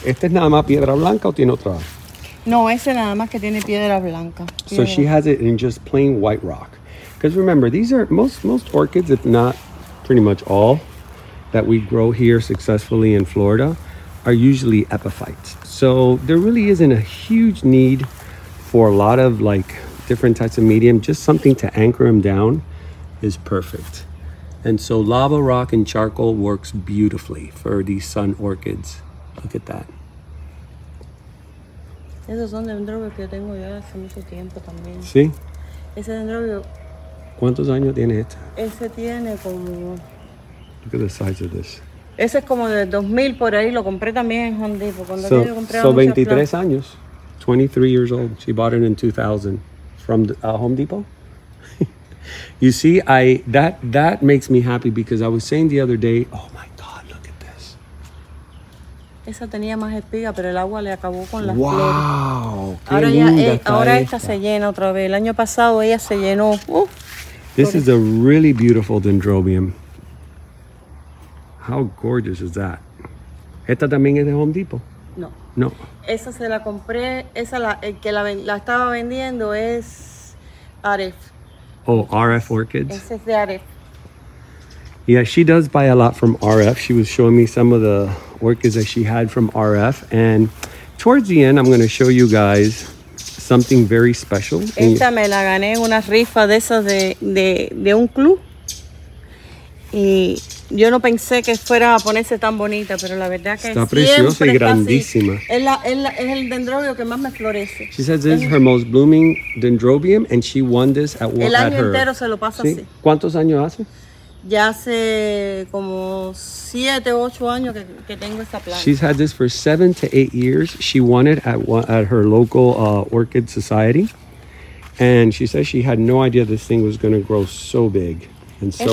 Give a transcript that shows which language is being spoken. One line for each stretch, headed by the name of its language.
Spanish: ¿Este es nada más piedra blanca o tiene otra? No, ese nada más que tiene piedra blanca.
English: So she has it in just plain white rock. Because remember, these are most orchids, if not pretty much all, that we grow here successfully in Florida, are usually epiphytes. So there really isn't a huge need for a lot of like different types of medium. Just something to anchor them down is perfect. And so lava rock and charcoal works beautifully for these sun orchids. Look at that.
Spanish: Esos son dendrobio que tengo ya hace mucho tiempo también. Sí. Ese dendrobio. ¿Cuántos años tiene esta? Ese tiene como.
English: Look at the size of this.
Spanish: Ese es como de 2000 por ahí. Lo compré también en Home Depot.
English: So 23
Spanish: plantas. Años.
English: 23 years old. She bought it in 2000 from the, Home Depot. You see, that makes me happy because I was saying the other day, oh my God, look at this.
Spanish: Esa tenía más espiga, pero el agua le acabó con las flores. Wow, qué linda. Ahora esta se llena otra vez. El año pasado ella se llenó.
English: This is a really beautiful dendrobium. How gorgeous is that?
Spanish: Esta también es de Home Depot. No. Esa se la compré. Esa la el que la estaba vendiendo es Aref.
English: Oh, RF orchids?
Spanish: Ese es de
English: RF. Yeah, she does buy a lot from RF. She was showing me some of the orchids that she had from RF. And towards the end, I'm going to show you guys something very special.
Spanish: Esta me la gané en una rifa de esas de un club. Y yo no pensé que fuera a ponerse tan bonita, pero la verdad que está preciosa y grandísima. Es el dendrobio que más me florece.
English: She says this is her most blooming dendrobium, and she won this at work at her.
Spanish: El año entero se lo pasa así. ¿Cuántos años hace? Ya hace como 7 o 8 años que tengo esta planta.
English: She's had this for 7 to 8 years. She won it at her local orchid society, and she says she had no idea this thing was going to grow so big. And so